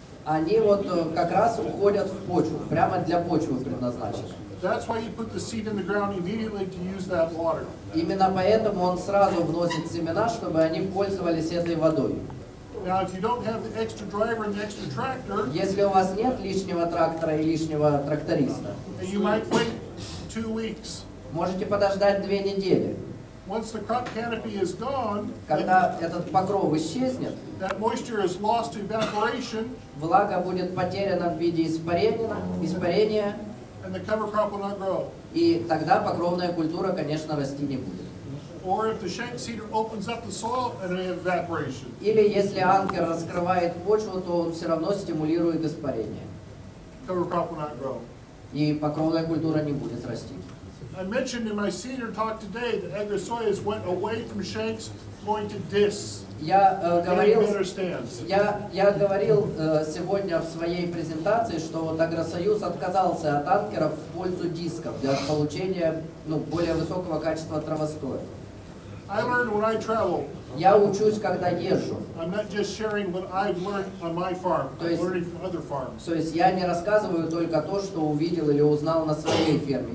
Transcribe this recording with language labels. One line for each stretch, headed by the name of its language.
Russian: Они вот как раз уходят в почву, прямо для почвы предназначены.
English: That's why he put the seed in the ground immediately to use that water.
Russian: Именно поэтому он сразу вносит семена, чтобы они пользовались этой водой.
English: Now, if you don't have the extra driver and the extra tractor,
Russian: если у вас нет лишнего трактора и лишнего тракториста,
English: you might wait 2 weeks.
Russian: Можете подождать 2 недели.
English: Once the crop canopy is gone,
Russian: когда этот покров исчезнет,
English: that moisture is lost to evaporation.
Russian: Влага будет потеряна в виде испарения.
English: And the cover crop will not grow.
Russian: И тогда покровная культура, конечно, расти не будет.
English: Or if the shank seeder opens up the soil and it evaporation.
Russian: Или если анкер раскрывает почву, то он все равно стимулирует испарение.
English: Cover crop will not grow.
Russian: И покровная культура не будет расти.
English: I mentioned in my seeder talk today that agrosoyas went away from shanks, going to discs.
Russian: Я говорил сегодня в своей презентации, что вот Агросоюз отказался от анкеров в пользу дисков для получения более высокого качества травостоя.
English: I learned when I travel.
Russian: Я учусь, когда езжу.
English: I'm not just sharing what I've learned on my farm. I'm learning from other farms.
Russian: То есть я не рассказываю только то, что увидел или узнал на своей ферме.